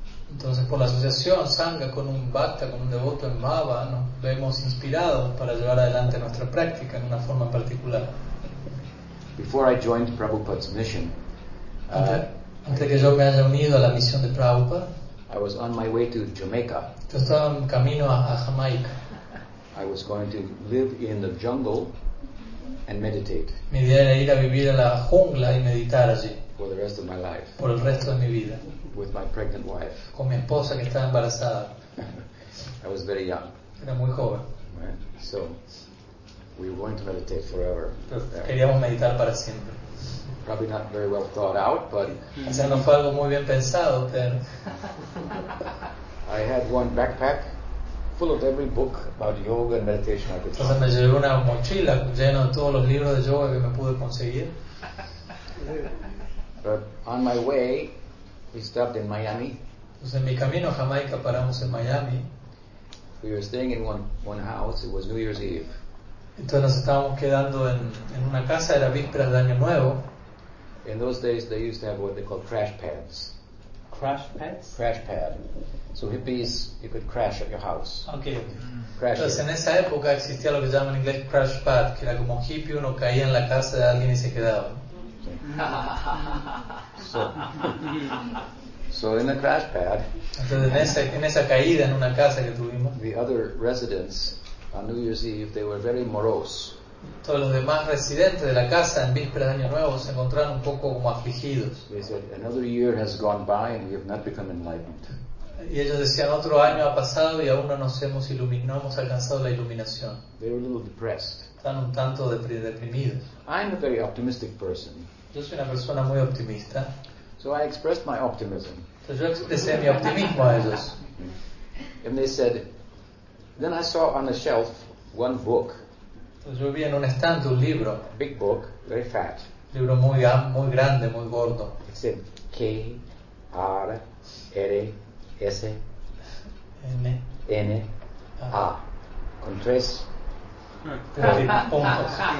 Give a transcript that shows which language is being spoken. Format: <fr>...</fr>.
<es>Entonces, por la asociación sangha con un bhakta, con un devoto en bhava, nos vemos inspirados para llevar adelante nuestra práctica en una forma particular.</es> <en>Before I joined Prabhupada's mission,</en> <es>antes que yo me haya unido a la misión de Prabhupada,</es> <en>I was on my way to Jamaica.</en> <es>Yo estaba en camino a Jamaica.</es> <en>I was going to live in the jungle and meditate.</en> <es>Mi idea era ir a vivir en la jungla y meditar allí.</es> <en>For the rest of my life.</en> <es>Por el resto de mi vida.</es> <en>With my pregnant wife.</en> <es>Con mi esposa que estaba embarazada.</es> <en>I was very young.</en> <es>Era muy joven.</es> <en>Right. So we were going to meditate forever.</en> <es>Queríamos meditar para siempre.</es> <en>Probably not very well thought out, but.</en> <es>O sea, no fue algo muy bien pensado, pero.</es> <en>I had one backpack full of every book about yoga and meditation I could find.</en> <es>Entonces me llevé una mochila llena de todos los libros de yoga que me pude conseguir.</es> <en>But on my way, we stopped in Miami.</en> <es>Pues en mi camino a Jamaica paramos en Miami.</es> <en>We were staying in one house. It was New Year's Eve.</en> <es>Entonces nos estábamos quedando en una casa. Era víspera de Año Nuevo.</es> <en>In those days, they used to have what they called crash pads. Crash pads? Crash pad. So hippies, you could crash at your house. Okay. Crash.</en> <es>Entonces en esa época existía lo que llaman en inglés crash pad, que era como hippie, uno caía en la casa de alguien y se quedaba.</es> <en>So in the crash pad.</en> <es>Entonces en esa caída en una casa que tuvimos.</es> <en>The other residents on New Year's Eve, they were very morose.</en> <es>Todos los demás residentes de la casa en víspera de Año Nuevo se encontraron un poco como afligidos.</es> <en>They said, another year has gone by and we have not become enlightened.</en> <es>Y ellos decían, otro año ha pasado y aún no hemos alcanzado la iluminación.</es> <en>They were a little depressed.</en> <es>Están un tanto deprimidos.</es> <en>I'm a very optimistic person.</en> <es>Yo soy una persona muy optimista.</es> <en>So I expressed my optimism.</en> <es>Entonces yo expresé mi optimismo a ellos.</es> <en>And they said, then I saw on the shelf one book.</en> <es>Entonces yo vi en un estante un libro.</es> <en>Big book, very fat.</en> <es>Libro muy, muy grande, muy gordo.</es> <en>It said K-R-R-S-N-A.</en> <es>Con tres puntos.</es>